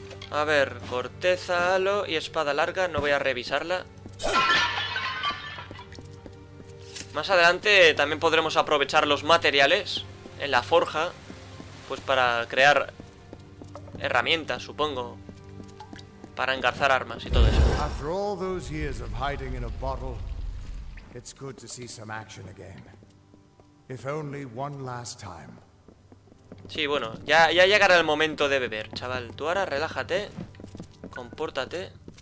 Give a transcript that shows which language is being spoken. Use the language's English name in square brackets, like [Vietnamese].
[Spanish] A ver, corteza, halo y espada larga, no voy a revisarla. Más adelante también podremos aprovechar los materiales en la forja, pues para crear herramientas, supongo, para engarzar armas y todo eso. [English] After all those years of hiding in a bottle, it's good to see some action again. If only one last time. [Spanish] Sí, bueno, ya llegará el momento de beber, chaval. Tú ahora relájate, compórtate.